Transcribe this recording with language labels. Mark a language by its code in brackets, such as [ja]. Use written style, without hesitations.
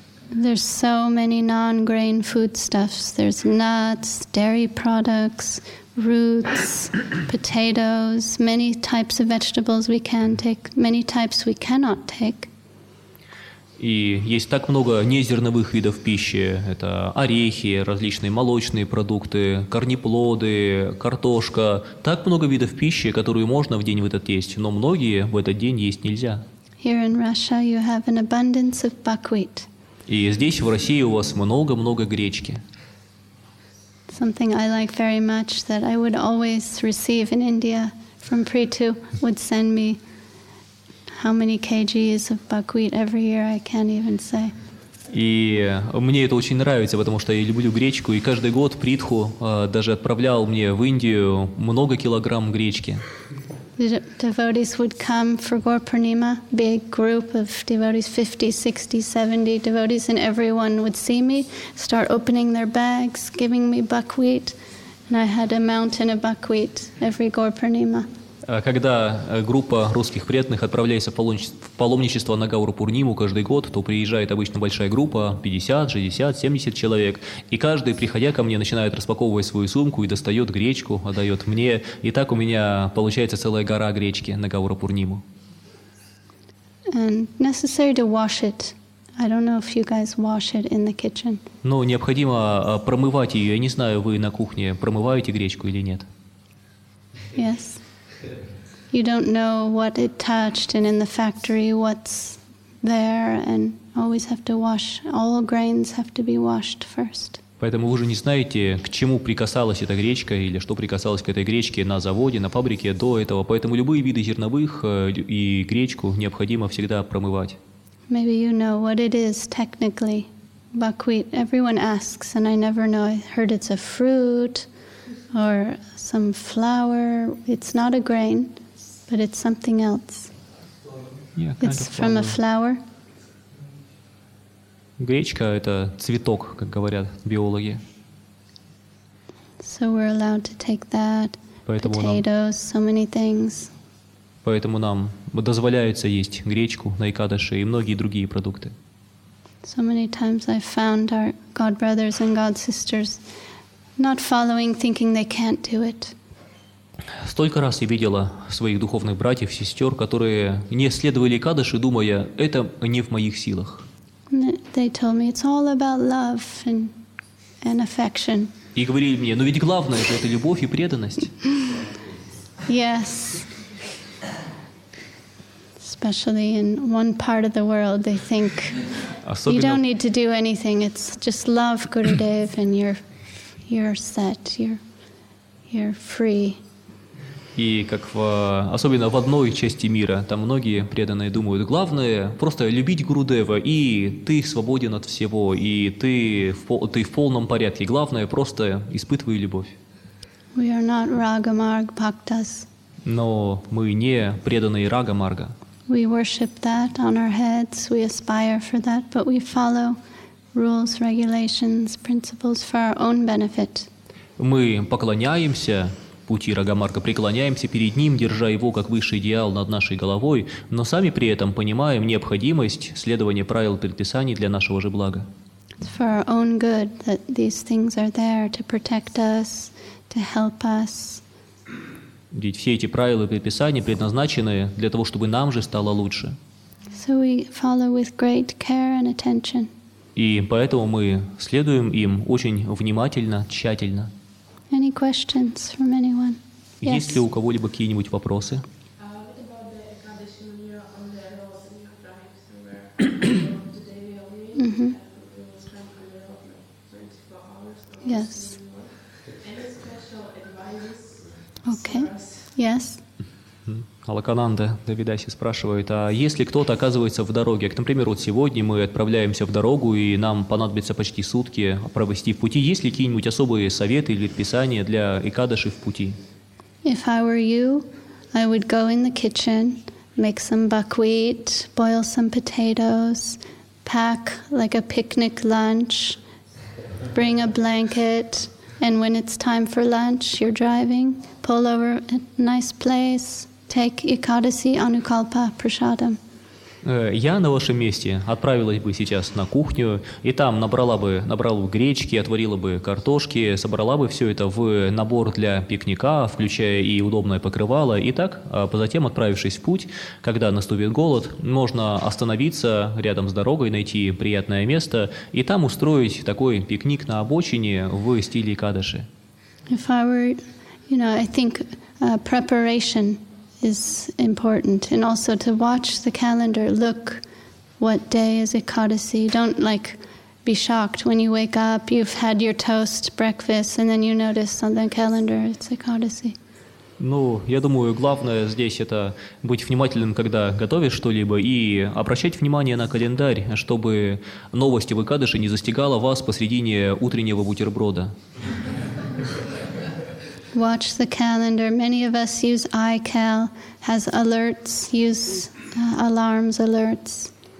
[en] There's so many non-grain foodstuffs. There's nuts, dairy products, roots, potatoes, many types of vegetables we can take, many types we cannot take. [ru] И есть так много незерновых видов пищи. Это орехи, различные молочные продукты, корнеплоды, картошка. Так много видов пищи, которую можно в день в этот есть, но многие в этот день есть нельзя. [en] Here in Russia you have an abundance of buckwheat. [ru] И здесь, в России, у вас много-много гречки. [en] Something I like very much that I would always receive in India from Preetu would send me how many kgs of buckwheat every year, I can't even say. [ru] И мне это очень нравится, потому что я люблю гречку, и каждый год Притху даже отправлял мне в Индию много килограмм гречки. [en] The devotees would come for Gaur Purnima, big group of devotees, 50, 60, 70 devotees, and everyone would see me, start opening their bags, giving me buckwheat, and I had a mountain of buckwheat every Gaur Purnima. [ru] Когда группа русских преданных отправляется в паломничество на Гаур-Пурниму каждый год, то приезжает обычно большая группа, 50, 60, 70 человек, и каждый, приходя ко мне, начинает распаковывать свою сумку и достает гречку, отдает мне, и так у меня получается целая гора гречки на Гаур-Пурниму. [en] And necessary to wash it. I don't know if you guys wash it in the kitchen. [ru] Но необходимо промывать ее. Я не знаю, вы на кухне промываете гречку или нет. [en] Yes. You don't know what it touched and in the factory what's there and always have to wash. All grains have to be washed first. [ru] Поэтому вы же не знаете, к чему прикасалась эта гречка или что прикасалось к этой гречке на заводе, на фабрике до этого. Поэтому любые виды зерновых и гречку необходимо всегда промывать. [en] Maybe you know what it is technically. Buckwheat, everyone asks and I never know. I heard it's a fruit. Or some flour. It's not a grain, but it's something else. Yeah, it's from a flower. [ru] Гречка – это цветок, как говорят биологи. [en] So we're allowed to take that. Поэтому potatoes, so many things. [ru] Поэтому нам дозволяется есть гречку на Экадаши и многие другие продукты. [en] So many times I found our God brothers and God sisters not following, thinking they can't do it. [ru] Столько раз я видела своих духовных братьев, сестер, которые не следовали Экадаши, думая, это не в моих силах. [en] They told me it's all about love and affection. [ru] И говорили мне, но ведь главное же это любовь и преданность. [en] Yes. Especially in one part of the world, they think you don't need to do anything. It's just love, Gurudev, and you're set. You're You're free. [ru] И как в, особенно в одной части мира, там многие преданные думают, главное просто любить Гурудева, и ты свободен от всего, и ты в полном порядке. Главное просто испытывай любовь. [en] We are not Raga-Marg Bhaktas. [ru] Но мы не преданные Рага-Марга. [en] We worship that on our heads, we aspire for that, but we follow rules, regulations, principles for our own benefit. [ru] Мы поклоняемся пути Рагамарга, преклоняемся перед ним, держа его как высший идеал над нашей головой, но сами при этом понимаем необходимость следования правил предписаний для нашего же блага. [en] It's for our own good that these things are there to protect us, to help us. [ru] Ведь все эти правила и предписания предназначены для того, чтобы нам же стало лучше. [en] So we follow with great care and attention. [ru] И поэтому мы следуем им очень внимательно, тщательно. [en] Any questions from anyone? Yes. [ru] Есть ли у кого-либо какие-нибудь вопросы? [en] Yes. Okay. Yes. [ru] Алакананда Давидаси спрашивает, а если кто-то оказывается в дороге, например, вот сегодня мы отправляемся в дорогу, и нам понадобится почти сутки провести в пути, есть ли какие-нибудь особые советы или писания для Экадаши в пути? [en] If I were you, I would go in the kitchen, make some buckwheat, boil some potatoes, pack like a picnic lunch, bring a blanket, and when it's time for lunch, you're driving, pull over a nice place, take Ekadasi Anukalpa Prasadam. [ru] Я на вашем месте отправилась бы сейчас на кухню, и там набрала бы гречки, отварила бы картошки, собрала бы все это в набор для пикника, включая и удобное покрывало. И так, затем отправившись в путь, когда наступит голод, можно остановиться рядом с дорогой, найти приятное место, и там устроить такой пикник на обочине в стиле Экадаши. [en] If I were, you know, I think preparation is important, and also to watch the calendar, look what day is Ekadasi. Don't like be shocked when you wake up, you've had your toast, breakfast, and then you notice on the calendar it's Ekadasi. [ru] Ну, я думаю, главное здесь это быть внимательным, когда готовишь что-либо, и обращать внимание на календарь, чтобы новость об Экадаши не застигала вас посредине утреннего бутерброда. [en] Watch the calendar. Many of us use iCal, has alerts, use alarms, alerts.